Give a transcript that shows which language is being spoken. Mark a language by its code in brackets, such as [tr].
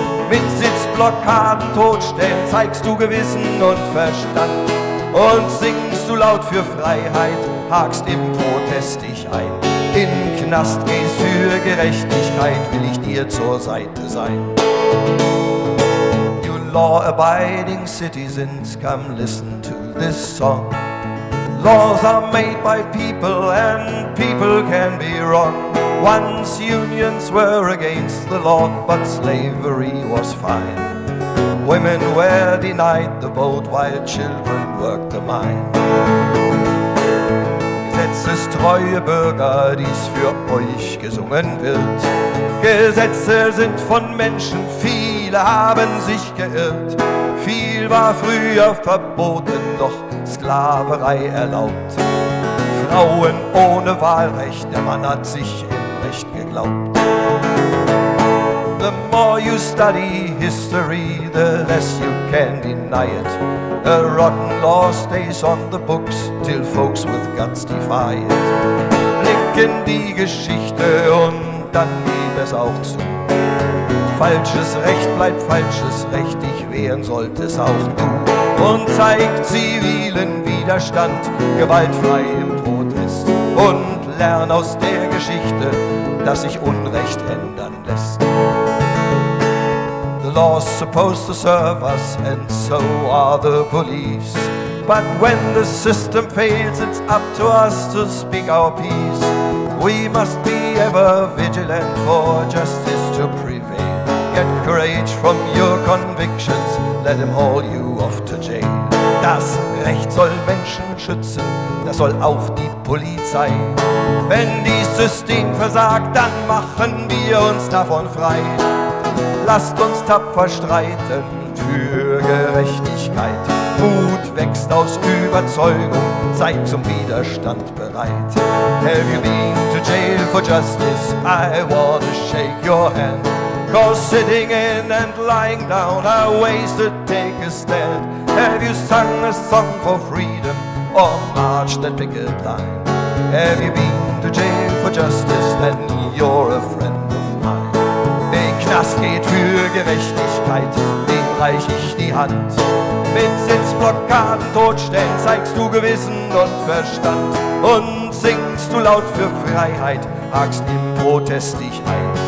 [de] Mit Sitzblockaden totstellen zeigst du Gewissen und Verstand. Und singst du laut für Freiheit, hakst im Protest dich ein. In Knast gehst für Gerechtigkeit, will ich dir zur Seite sein. [en] You law-abiding citizens, come listen to this song. Laws are made by people and people can be wrong. Once unions were against the law, but slavery was fine. Women were denied the vote while children worked the mine. [de] Gesetzestreue Bürger, dies für euch gesungen wird. Gesetze sind von Menschen, viele haben sich geirrt. Viel war früher verboten, doch Sklaverei erlaubt. Frauen ohne Wahlrecht, der Mann hat sich im Recht geglaubt. [en] The more you study history, the less you can deny it. A rotten law stays on the books, till folks with guts defy it. [de] Blick in die Geschichte und dann gib es auch zu. Falsches Recht bleibt falsches Recht, dich wehren solltest auch du. Und zeigt zivilen Widerstand, gewaltfrei im Protest. Und lern aus der Geschichte, dass sich Unrecht ändern lässt. [en] The law's supposed to serve us and so are the police. But when the system fails, it's up to us to speak our peace. We must be ever vigilant for justice to prevail. Get courage from your convictions, let him haul you off to jail. [de] Das Recht soll Menschen schützen, das soll auch die Polizei. Wenn dies System versagt, dann machen wir uns davon frei. Lasst uns tapfer streiten für Gerechtigkeit. Mut wächst aus Überzeugung, sei zum Widerstand bereit. [en] Have you been to jail for justice? I wanna shake your hand. Cause sitting in and lying down are ways to take a stand. Have you sung a song for freedom or marched that picket line? Have you been to jail for justice? Then you're a friend of mine. [de] Den Knast geht für Gerechtigkeit, den reich ich die Hand. Mit Sitzblockaden totstellen zeigst du Gewissen und Verstand. Und singst du laut für Freiheit, hakst im Protest dich ein.